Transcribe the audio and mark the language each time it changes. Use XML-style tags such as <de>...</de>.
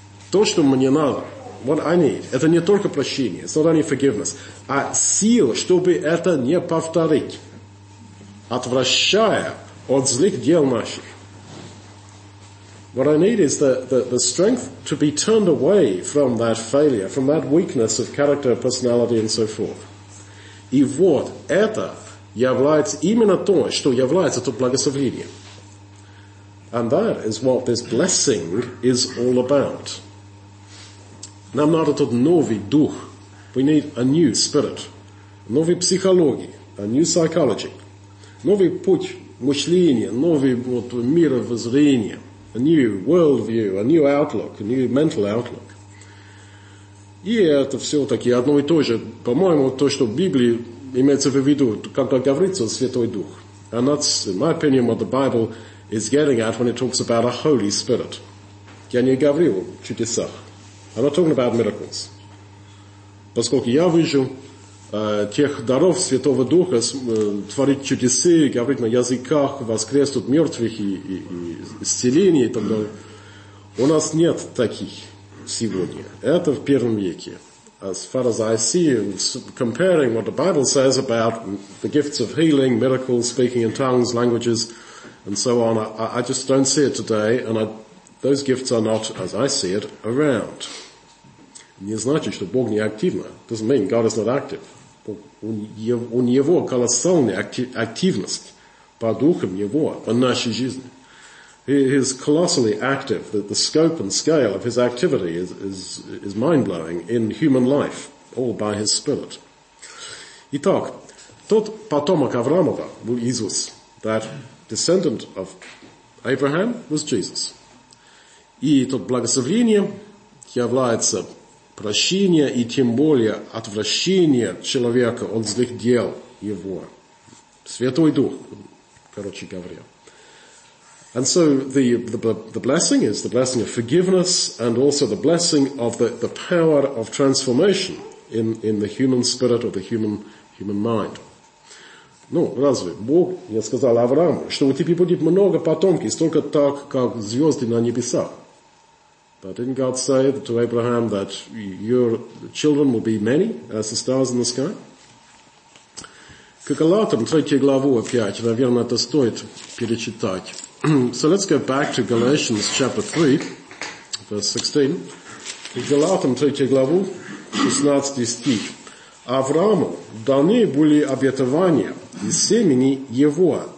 <ru>То, что мне надо,</ru> <en>what I need,</en> <ru>это не только прощение,</ru> <en>it's not only forgiveness,</en> <ru>а сил, чтобы это не повторить, отвращая от злых дел наших.</ru> <en>What I need is the strength to be turned away from that failure, from that weakness of character, personality, and so forth.</en> <ru>И вот это является именно то, что является то благословение.</ru> <en>And that is what this blessing is all about.</en> <ru>Нам надо тот новый дух.</ru> <en>We need a new spirit.</en> <ru>Новый психологии.</ru> <en>A new psychology.</en> <ru>Новый путь мышления. Новый вот мировоззрение.</ru> <en>A new worldview, a new outlook, a new mental outlook.</en> <ru>И это все-таки одно и то же. По-моему, то, что в Библии имеется в виду, как говорится, Святой Дух.</ru> <en>And that's, in my opinion, what the Bible is getting at when it talks about a Holy Spirit.</en> <ru>Я не говорю о чудесах.</ru> <en>I'm not talking about miracles.</en> <ru>Поскольку я вижу тех даров Святого Духа творить чудеса, говорить на языках, воскреснуть мертвых и исцеления и так далее. У нас нет таких сегодня. Это в первом веке.</ru> <en>As far as I see, comparing what the Bible says about the gifts of healing, miracles, speaking in tongues, languages, and so on, I just don't see it today, and those gifts are not, as I see it, around.</en> <ru>Не значит, что Бог не активно.</ru> <en>Doesn't mean God is not active.</en> <ru>У Него колоссальная активность по Духам Его в нашей жизни.</ru> <en>He is colossally active. The scope and scale of his activity is mind-blowing in human life, all by his Spirit.</en> <ru>Итак, тот потомок Авраамова был Иисус.</ru> <en>That descendant of Abraham was Jesus.</en> <ru>И тот благословение является прощение и тем более отвращение человека от злых дел его. Святой Дух, короче говоря.</ru> <en>And so the blessing is the blessing of forgiveness and also the blessing of the power of transformation in the human spirit or the human mind.</en> <ru>Ну, разве Бог не сказал Аврааму, что у тебя будет много потомки, столько так, как звезды на небесах?</ru> <en>But didn't God say to Abraham that your children will be many as the stars in the sky?</en> <ru>К Галатам, 3 главу опять, наверное, это стоит перечитать.</ru> <en>So let's go back to Galatians chapter 3, verse 16.</en> <ru>Галатам, 3 главу, 16 стих. Аврааму даны были обетования и семени его.</ru>